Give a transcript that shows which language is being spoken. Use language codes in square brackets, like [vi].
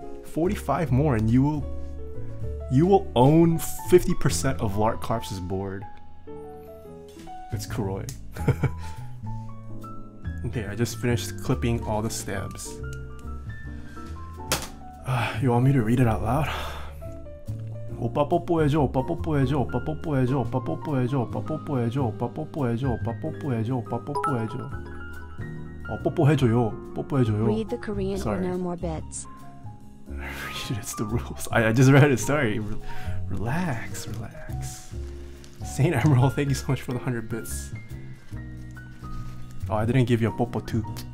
[en] 45 more and you will own 50% of Lark Carps' board. It's Kuroi. Okay, I just finished clipping all the stamps. You want me to read it out loud? [ko] 오빠 뽀뽀해줘, 오빠 뽀뽀해줘, 오빠 뽀뽀해줘, 오빠 뽀뽀해줘, 오빠 뽀뽀해줘, 오빠 뽀뽀해줘, 오빠 뽀뽀해줘, 오빠 뽀뽀해줘. 어, 뽀뽀해줘요, 뽀뽀해줘요. [en] Read the Korean or no more bits. It's the rules. I just read it, sorry. Relax, relax. Saint Emerald, thank you so much for the 100 bits. Oh, I didn't give you a popo too.